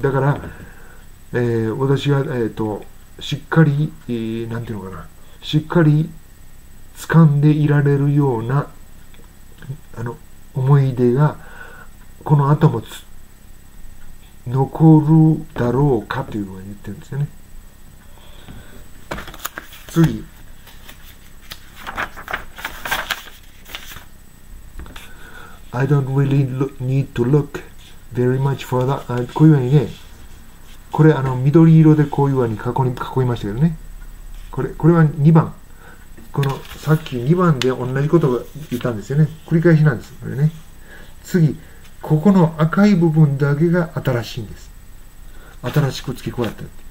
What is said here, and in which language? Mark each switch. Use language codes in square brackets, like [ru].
[ja] だから私が、しっかり、なんていうのかな、しっかり掴んでいられるような、あの思い出がこの後も残るだろうかというのを言ってるんですよね。 [en] 次、I don't really need to look very much further。 [ja] こういうふうにね、これ緑色でこういうふうに囲いましたけどね、これは2番、このさっき2番で同じことを言ったんですよね、繰り返しなんですこれね。次、ここの赤い部分だけが新しいんです、新しく付け加えた。